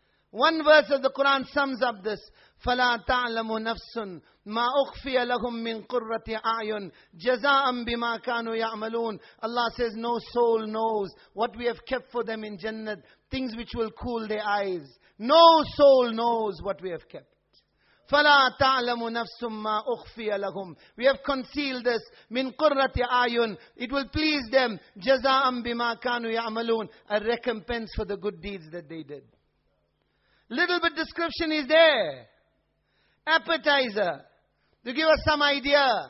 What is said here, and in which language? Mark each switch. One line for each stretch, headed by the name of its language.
English: One verse of the Quran sums up this. فَلَا تَعْلَمُ نَفْسٌ مَا أُخْفِيَ لَهُمْ مِنْ قُرَّةِ أَعْيُنْ جَزَاءً بِمَا كَانُوا يَعْمَلُونَ Allah says, no soul knows what we have kept for them in Jannah, things which will cool their eyes. No soul knows what we have kept.
Arabic: فَلَا تَعْلَمُ نَفْسٌ مَا أُخْفِيَ لَهُمْ We have concealed this.
English: مِنْ قُرَّةِ أَعْيُنْ It will please them. جَزَاءً بِمَا كَانُوا يَعْمَلُونَ A recompense for the good deeds that they did. Little bit description is there. Appetizer. To give us some idea.